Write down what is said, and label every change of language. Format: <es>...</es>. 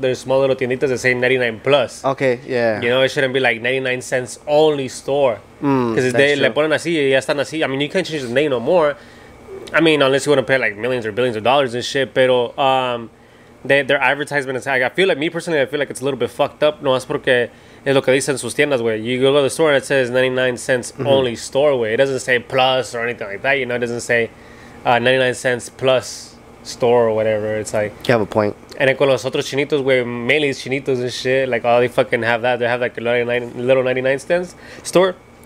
<en>They're small little tienditas that say 99 plus. Okay, yeah. You know, it shouldn't be like 99 cents only store. Because they</en> <es>le ponen así y ya están así.</es> <en>I mean, you can't change the name no more. I mean, unless you want to pay like millions or billions of dollars and shit. Pero their advertisement is like, I feel like, me personally, I feel like it's a little bit fucked up.</en> <es>No, es porque es lo que dicen sus tiendas, güey.</es> <en>You go to the store and it says 99 cents only store, güey. It doesn't say plus or anything like that. You know, it doesn't say 99 cents plus store or whatever. It's like, you have a point. And then</en> <es>con los otros chinitos,</es> <en>where mainly chinitos and shit, like, all they fucking have that, they have like a little 99 stands store.</en>